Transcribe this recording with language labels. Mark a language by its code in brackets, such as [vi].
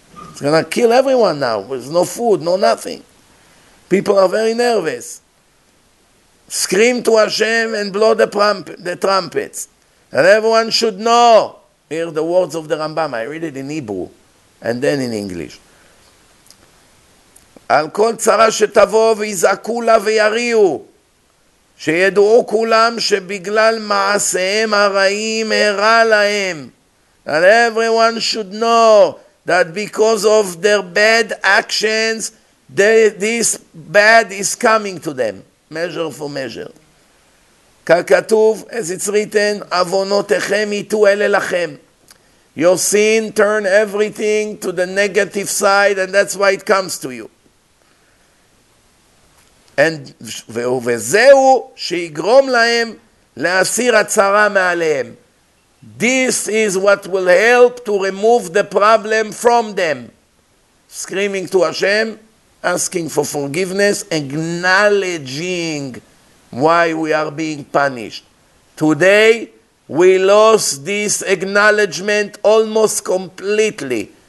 [en] It's going to kill everyone now. There's no food, no nothing. People are very nervous. Scream to Hashem and blow the trumpets. And everyone should know. Hear the words of the Rambam. I read it in Hebrew and then in English. [he] על כל צרה שתבוא ויזעקו לה ויריעו, שידעו כולם שבגלל מעשיהם הרעים הרע להם. [en] And everyone should know that because of their bad actions, this bad is coming to them, measure for measure. [he] ככתוב, [en] as it's written, [he] עוונותיכם יתו אלה לכם. [en] Your sin turn everything to the negative side, and that's why it comes to you. [he] And וזהו שיגרום להם להסיר הצרה מעליהם. [en] This is what will help to remove the problem from them. Screaming to Hashem, asking for forgiveness, acknowledging why we are being punished. Today, we lost this acknowledgement almost completely.